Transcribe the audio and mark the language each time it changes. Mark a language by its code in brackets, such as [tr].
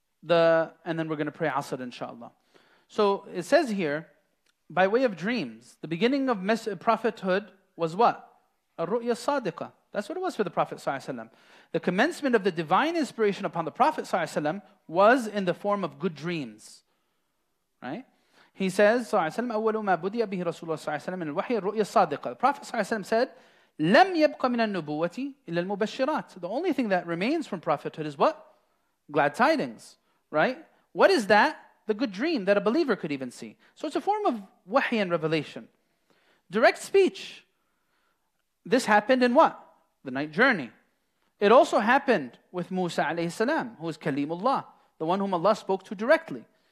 [en] And then we're going to pray Asr, inshallah. So it says here, by way of dreams, the beginning of prophethood was what? Ar-ru'ya sadiqa. That's what it was for the Prophet ﷺ. The commencement of the divine inspiration upon the Prophet ﷺ was in the form of good dreams. Right? He says, [ar] ﷺ, أول ما بدي به رسول الله ﷺ من الوحي الرؤيا الصادقة. [en] The Prophet ﷺ said, [ar] لم يبق من النبوة إلا المبشرات. [en] The only thing that remains from prophethood is what? Glad tidings. Right? What is that? The good dream that a believer could even see. So it's a form of wahi and revelation. Direct speech. This happened in what? The night journey. It also happened with Musa alayhi salam, who is Kalimullah, the one whom Allah spoke to directly.